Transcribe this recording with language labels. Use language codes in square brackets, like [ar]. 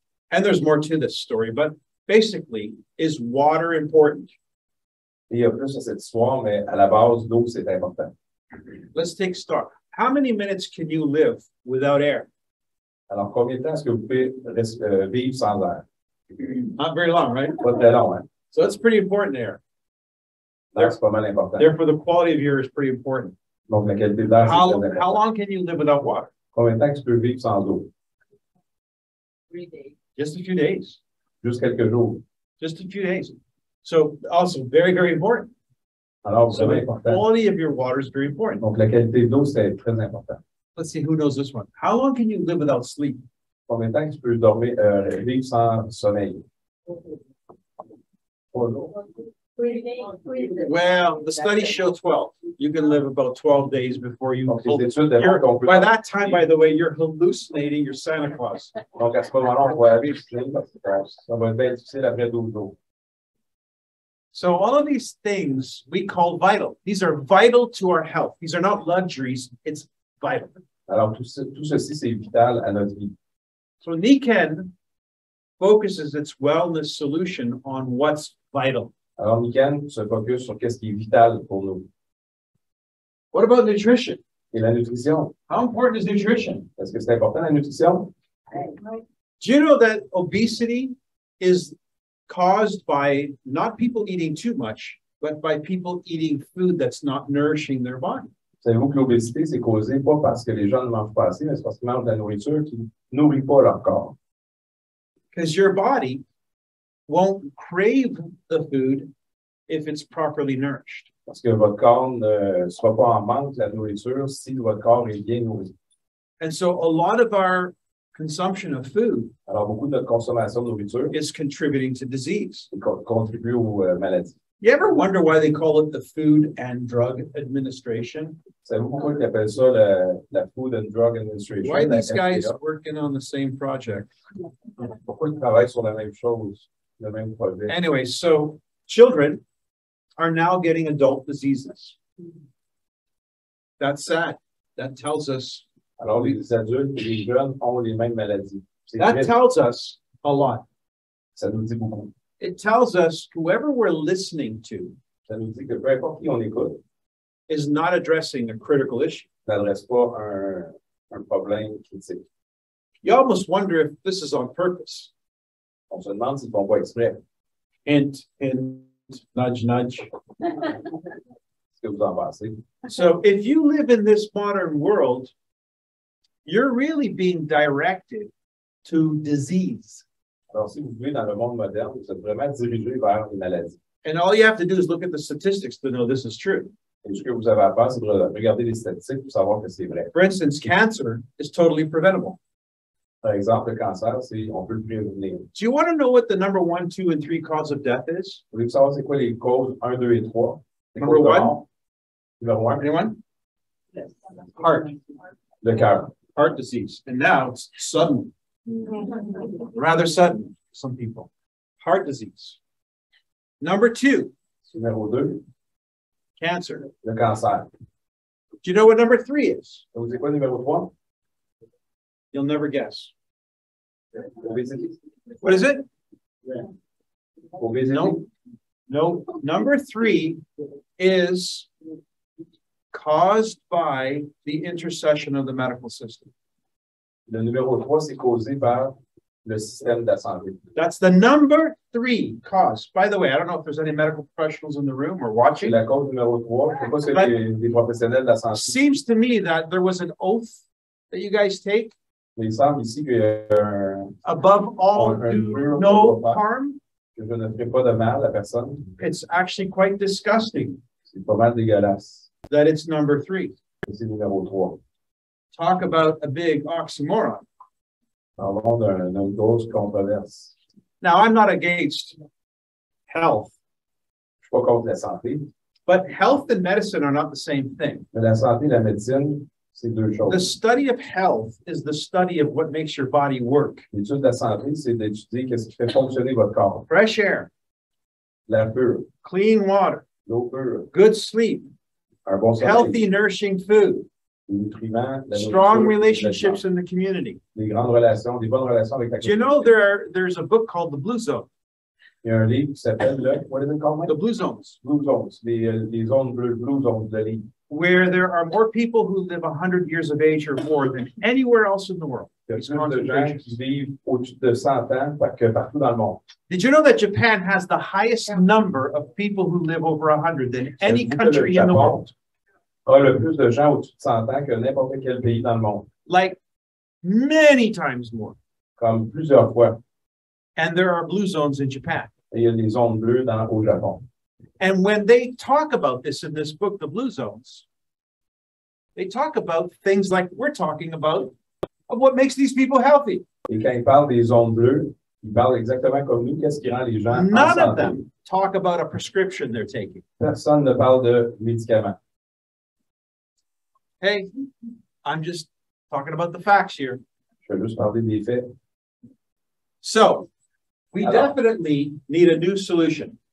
[en] And there's more to this story, but basically, is water important? [fr] Il y a plus à cette histoire, mais à la base, l'eau, c'est important. [en] Let's take stock. How many minutes can you live without air? [fr] Alors, combien de temps est-ce que vous pouvez vivre sans air? [en] Not very long, right? [fr] Pas très long, hein? [en] So that's pretty important, air. [fr] C'est pas mal important. [en] Therefore, the quality of air is pretty important. [fr] Donc, la qualité de l'air, c'est important. [en] How long can you live without water? [fr] Combien de temps est-ce que vous pouvez vivre sans eau? [en] 3 days. Just a few days. [fr] Juste quelques jours. [en] Just a few days. So, also, very, very important. [fr] Alors, c'est très important. [en] Quality of your water is very important. [fr] Donc, la qualité d'eau, c'est très important. [en] Let's see who knows this one. How long can you live without sleep? [fr] Combien de temps tu peux dormir, vivre sans sommeil? [en] Oh, no. Well, the studies show 12. You can live about 12 days before you... [fr] Donc, les études démontrent qu'on peut... [en] By that time, by the way, you're hallucinating your Santa Claus. [fr] Donc, à ce moment-là, on pourrait vivre sans Santa Claus. Ça va être bien difficile après 12 jours. [en] So all of these things we call vital. These are vital to our health. These are not luxuries. It's vital. [fr] Alors, tout ceci, c'est vital à notre vie. [en] So Niken focuses its wellness solution on what's vital. [fr] Alors, Niken se focus sur qu'est-ce qui est vital pour nous. [en] What about nutrition? [fr] Et la nutrition. [en] How important is nutrition? [fr] Est-ce que c'est important, la nutrition? [en] Do you know that obesity is caused by not people eating too much, but by people eating food that's not nourishing their body? [fr] Savez-vous que l'obésité, c'est causé pas parce que les gens ne mangent pas assez, mais parce qu'ils mangent de la nourriture qui nourrit pas leur corps. [en] Because your body won't crave the food if it's properly nourished. [fr] Parce que votre corps ne sera pas en manque de la nourriture si votre corps est bien nourri. [en] And so a lot of our consumption of food [fr] Alors, beaucoup de notre consommation de nourriture [en] is contributing to disease. [fr] Contribue aux maladies. [en] You ever wonder why they call it the Food and Drug Administration? [fr] Savez-vous pourquoi ils appellent ça la Food and Drug Administration? [en] Why are these guys working on the same project? [fr] Pourquoi ils travaillent sur la même chose, le même projet? [en] Anyway, so children are now getting adult diseases. That's sad. That tells us. [fr] Alors, les adultes et les jeunes ont les mêmes maladies. C'est [en] that [fr] très... [en] tells us a lot. [fr] Ça nous dit beaucoup. [en] It tells us whoever we're listening to [fr] ça nous dit que peu importe qui on écoute [en] is not addressing a critical issue. [fr] N'adresse pas un problème critique. [en] You almost wonder if this is on purpose. [fr] On se demande s'ils font pas exprès. [en] Hint, hint, nudge, nudge. [fr] Est-ce que vous en pensez? [en] So, if you live in this modern world, you're really being directed to disease. [fr] Alors, si vous vivez dans le monde moderne, vous êtes vraiment dirigé vers les maladies. [en] And all you have to do is look at the statistics to know this is true. [fr] Et ce que vous avez à faire, c'est de regarder les statistiques pour savoir que c'est vrai. [en] For instance, cancer is totally preventable. [fr] Par exemple, le cancer, c'est on peut le prévenir. [en] Do you want to know what the number 1, 2, and 3 cause of death is? [fr] Vous voulez savoir c'est quoi les causes 1, 2 et 3? [en] Number 1? [fr] Numéro 1? [en] Anyone? Heart. [fr] Le cœur. [en] Heart disease. And now it's sudden. Rather sudden, some people. Heart disease. Number 2. [fr] Numéro 2. [en] Cancer. [fr] Le cancer. [en] Do you know what number 3 is? [fr] Vous savez quoi numéro 3? [en] You'll never guess. Obesity. What is it? Obesity. Nope. No, number three is caused by the intercession of the medical system. [fr] Le numéro trois, c'est causé par le système de la santé. [en] That's the number three cause. By the way, I don't know if there's any medical professionals in the room or watching. [fr] La cause numéro trois, je pense que c'est des professionnels de la santé. [en] Seems to me that there was an oath that you guys take. [fr] Il semble ici qu'il y a [en] above all, no harm. [fr] Que je ne ferai pas de mal à personne. [en] It's actually quite disgusting. [fr] C'est pas mal dégueulasse. [en] That it's number three. [fr] Et c'est numéro trois. [en] Talk about a big oxymoron. [fr] Parlons d'une grosse controverse. [en] Now, I'm not against health. [fr] Je suis pas contre la santé. [en] But health and medicine are not the same thing. [fr] Mais la santé et la médecine, c'est deux choses. [en] The study of health is the study of what makes your body work. [fr] L'étude de la santé, c'est d'étudier qu'est-ce qui fait fonctionner votre corps. [en] Fresh air. [fr] L'air pur. [en] Clean water. [fr] L'eau pure. [en] Good sleep. [fr] Un bon sommeil. [en] Healthy, nourishing food. Strong relationships in the community. [fr] Des grandes relations, des bonnes relations avec la communauté. [en] You know, there's a book called The Blue Zone. [fr] Il y a un livre qui s'appelle, le, [en] what is it called, Mike? The Blue Zones. [fr] Blue Zones, les zones bleues, Blue Zones, de l'île. [en] Where there are more people who live 100 years of age or more than anywhere else in the world. [fr] Il y a plus de gens qui vivent au-dessus de 100 ans que partout dans le monde. [en] Did you know that Japan has the highest number of people who live over 100 than any country in the world? [fr] A le plus de gens au-dessus de 100 ans que n'importe quel pays dans le monde. [en] Like many times more. [fr] Comme plusieurs fois. [en] And there are blue zones in Japan. [fr] Et il y a des zones bleues au Japon. [en] And when they talk about this in this book, The Blue Zones, they talk about things like we're talking about, of what makes these people healthy. [fr] Et quand ils parlent des zones bleues, ils parlent exactement comme nous, qu'est-ce qui rend les gens en santé. [en] None of them talk about a prescription they're taking. [fr] Personne ne parle de médicaments. [en] Hey, I'm just talking about the facts here. [fr] Je vais juste parler des faits. [en] So, we [fr] Alors, [en] definitely need a new solution.